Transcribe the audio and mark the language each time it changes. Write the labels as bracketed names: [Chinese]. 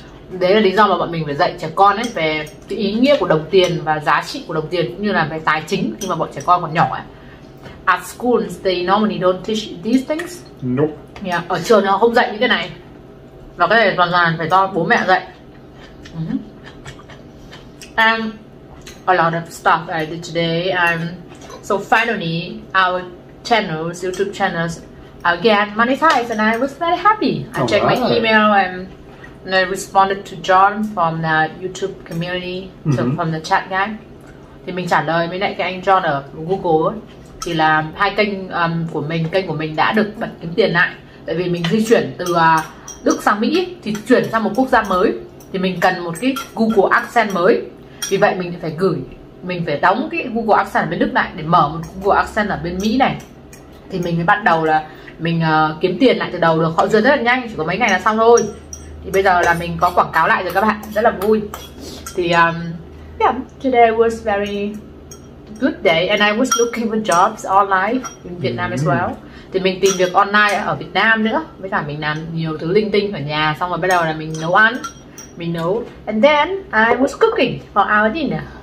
[Vietnamese] Đấy là lý do mà bọn mình phải dạy trẻ con ấy về cái ý nghĩa của đồng tiền và giá trị của đồng tiền, cũng như là về tài chính khi mà bọn trẻ con còn nhỏ ấy. [English] At schools they normally don't teach these things. Nope. [Vietnamese] Yeah, ở trường nó không dạy những cái này. Và cái này hoàn toàn phải do bố mẹ dạy. [English] And a lot of stuff I did today. So finally our channels, YouTube channels, again monetized and I was very happy. I checked my email and I responded to John from the YouTube community, from the chat guy. [Vietnamese] Thì mình trả lời với lại cái anh John ở Google ấy. Thì là hai kênh của mình đã được bật kiếm tiền lại. Tại vì mình di chuyển từ Đức sang Mỹ thì chuyển sang một quốc gia mới, thì mình cần một cái Google Accent mới. Vì vậy mình phải đóng cái Google Accent ở bên Đức lại để mở một Google Accent ở bên Mỹ này. Thì mình mới bắt đầu là mình kiếm tiền lại từ đầu được. Họ dừa rất là nhanh, chỉ có mấy ngày là xong thôi. Thì bây giờ là mình có quảng cáo lại rồi các bạn, rất là vui. Thì [English] today was very good day and I was looking for jobs online in Vietnam as well. [Vietnamese] Thì mình tìm việc online ở Việt Nam nữa. Với cả mình làm nhiều thứ linh tinh ở nhà, xong rồi bắt đầu là mình nấu ăn. Mình nấu. [English] And then I was cooking for our dinner.